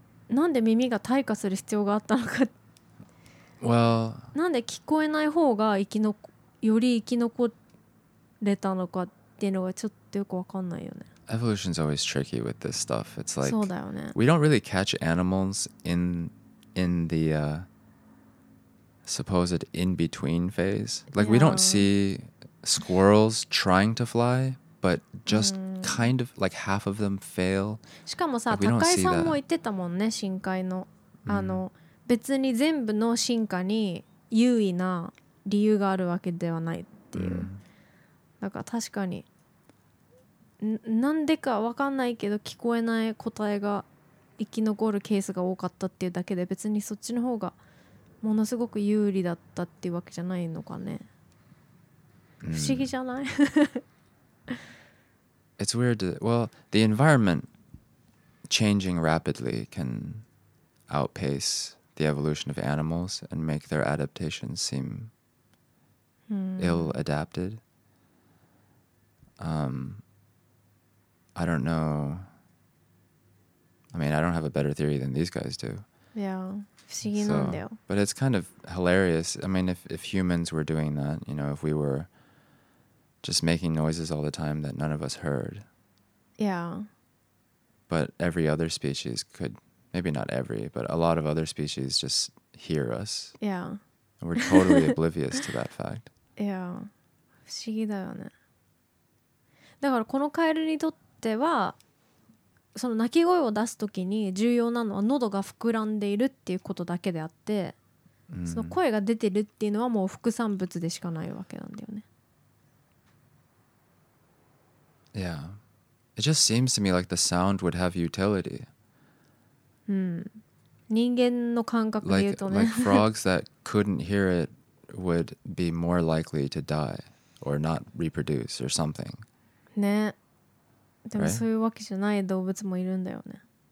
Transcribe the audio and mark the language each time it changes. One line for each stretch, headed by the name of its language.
Japanese: なんで耳が退化する必要があったのか、なんで聞こえない方がより生き残れたのかっていうのがちょっとよくわかんないよね。
English: Evolution is always tricky with this stuff. It's like,
Japanese: そうだよね。
English: We don't really catch animals in the supposed in-between phase. Like, yeah. We don't see squirrels trying to fly, but just kind of, like, half of them fail.
Japanese: しかもさ、高井さんも言ってたもんね、深海の。あの、別に全部の進化に優位な理由があるわけではないっていう。だから確かに。なんでか分かんないけど聞こえない答えが生き残るケースが多かったっていうだけで、別にそっちの方がものすごく有利だったっていうわけじゃないのかね。不思議じゃない？
English: It's weird. Well, the environment changing rapidly can outpace the evolution of animals and make their adaptations seem ill-adapted. I don't know. I mean, I don't have a better theory than these guys do. Yeah. So, but it's kind of hilarious. I mean, if humans were doing that, you know, if we were just making noises all the time that none of us heard. Yeah. But every other species could, maybe not every, but a lot of other species just hear us. Yeah. And we're totally oblivious to that fact.
Japanese: Yeah. 不思議だよね。だからこのカエルにとってではその鳴き声を出すときに重要なのは喉が膨らんでいるっていうことだけであって、その声が出てるっていうのはもう副産物でしかないわけなんだよね。
English: Yeah. It just seems to me like the sound would have utility.
Japanese: 人間の感覚で言うとね、
English: like frogs that couldn't hear it would be more likely to die or not reproduce or something.
Japanese: ね、でもそういうわけじゃない動物もいるんだよね。